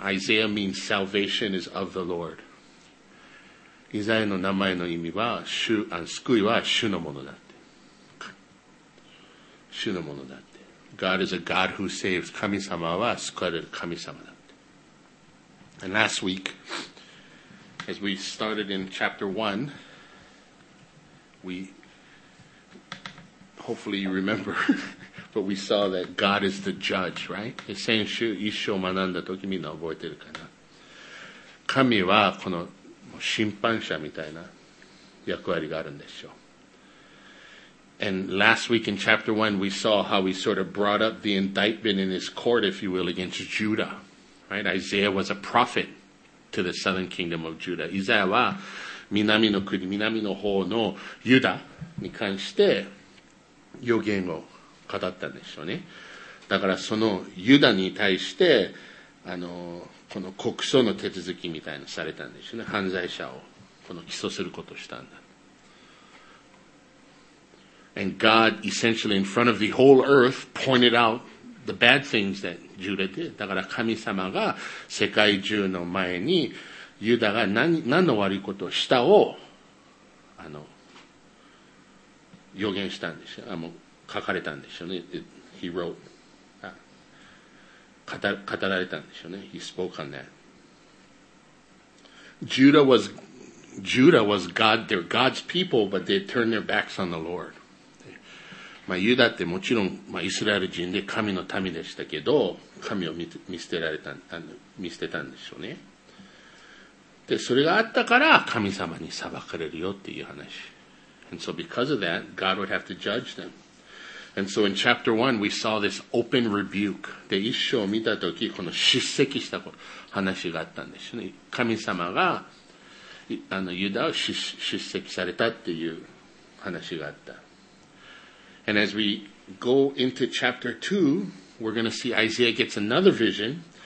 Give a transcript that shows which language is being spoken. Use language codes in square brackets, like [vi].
[en] Isaiah means salvation is of the Lord. [ja] イザヤの名前の意味は、救いは主のものだ。主のものだって。 [en] God is a God who saves. [ja] 神様は救われる神様だって。 [en] And last week, as we started in chapter 1, we, hopefully you remember, but we saw that God is the judge, right? [ja] 先週一章学んだ時みんな覚えてるかな。神はこの審判者みたいな役割があるんでしょう。 [en] And last week in chapter 1, we saw how he sort of brought up the indictment in his court, if you will, against Judah. Right? Isaiah was a prophet to the southern kingdom of Judah. [ja] Isaiah は南の国、南の方のユダに関して預言を語ったんでしょうね。だからそのユダに対して、この国訴の手続きみたいなされたんでしょうね。犯罪者をこの起訴することをしたんだ。 [en] And God, essentially in front of the whole earth, pointed out the bad things that Judah did. [ja] だから神様が世界中の前にユダが 何の悪いことをしたを予言したんですよ。書かれたんですよね。 [en] He wrote. [ja] 語られたんですよね。 [en] He spoke on that. Judah was God, they're God's people, but they turned their backs on the Lord. [ja] まあ、ユダってもちろん、まあ、イスラエル人で神の民でしたけど、神を見捨てたんでしょうね。で、それがあったから神様に裁かれるよっていう話。 [en] And so because of that, God would have to judge them. And so in chapter 1, we saw this open rebuke. [ja] で、一章を見たとき、この叱責した話があったんですよね。神様が、ユダを叱責されたっていう話があった。 [en] And as we go into chapter 2, we're going to see Isaiah gets another vision.